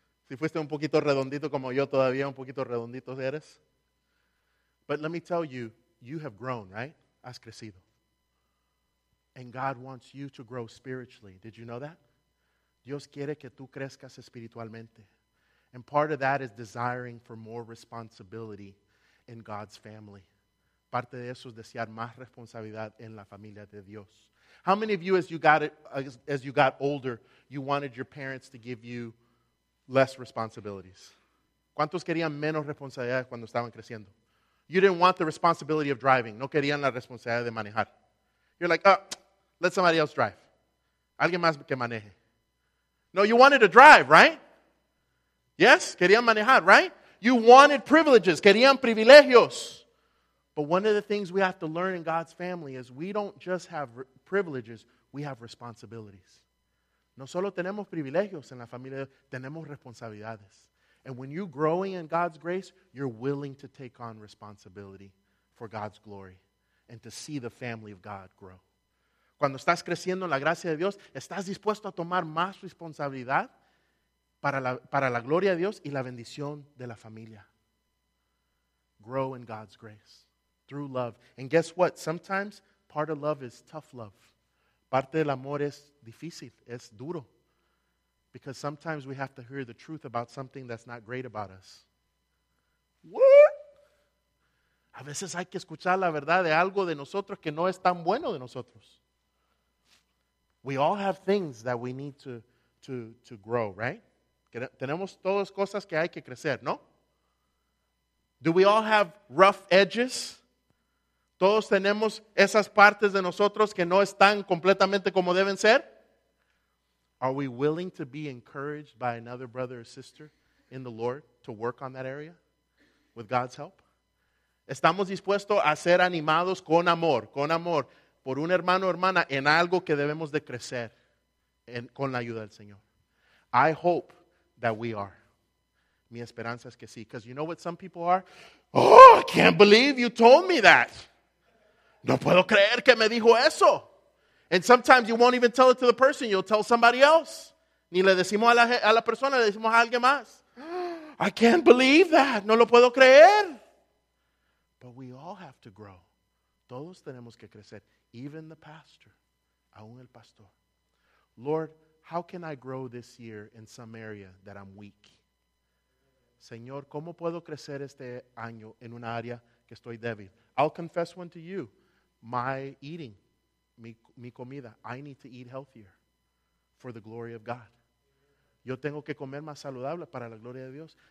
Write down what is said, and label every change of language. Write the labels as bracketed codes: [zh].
[es] Si fuiste un poquito redondito como yo, todavía un poquito redondito eres. [en] But let me tell you, you have grown, right? [es] Has crecido. [en] And God wants you to grow spiritually. Did you know that? [es] Dios quiere que tú crezcas espiritualmente. [en] And part of that is desiring for more responsibility in God's family. [es] Parte de eso es desear más responsabilidad en la familia de Dios. [en] How many of you, as you got older, you wanted your parents to give you less responsibilities? [es] ¿Cuántos querían menos responsabilidad cuando estaban creciendo? [en] You didn't want the responsibility of driving. [es] No querían la responsabilidad de manejar. [en] You're like, oh, let somebody else drive. [es] Alguien más que maneje. [en] No, you wanted to drive, right? Yes, [es] querían manejar, [en] right? You wanted privileges. [es] Querían privilegios. [en] But one of the things we have to learn in God's family is we don't just have privileges, we have responsibilities. [es] No solo tenemos privilegios en la familia, tenemos responsabilidades. [en] And when you're growing in God's grace, you're willing to take on responsibility for God's glory and to see the family of God grow. [es] Cuando estás creciendo en la gracia de Dios, estás dispuesto a tomar más responsabilidad para la gloria de Dios y la bendición de la familia. [en] Grow in God's grace through love. And guess what? Sometimes part of love is tough love. [es] Parte del amor es difícil, es duro. [en] Because sometimes we have to hear the truth about something that's not great about us. What? [es] A veces hay que escuchar la verdad de algo de nosotros que no es tan bueno de nosotros. [en] We all have things that we need to grow, right? [es] Tenemos todas cosas que hay que crecer, ¿no? [en] Do we all have rough edges? [es] ¿Todos tenemos esas partes de nosotros que no están completamente como deben ser? [en] Are we willing to be encouraged by another brother or sister in the Lord to work on that area with God's help? [es] ¿Estamos dispuestos a ser animados con amor, por un hermano o hermana en algo que debemos de crecer con la ayuda del Señor? [en] I hope that we are. [es] Mi esperanza es que sí. [en] Because you know what some people are? Oh, I can't believe you told me that. [es] No puedo creer que me dijo eso. [en] And sometimes you won't even tell it to the person. You'll tell somebody else. [es] Ni le decimos a la persona, le decimos a alguien más. [en] I can't believe that. [es] No lo puedo creer. [en] But we all have to grow. [es] Todos tenemos que crecer. [en] Even the pastor. [es] Aún el pastor. [en] Lord, how can I grow this year in some area that I'm weak? [es] Señor, ¿cómo puedo crecer este año en un área que estoy débil? [en] I'll confess one to you. My eating. [es] Mi comida, [en] I need to eat healthier for the glory of God. [es] Yo tengo que comer más saludable para la gloria de Dios.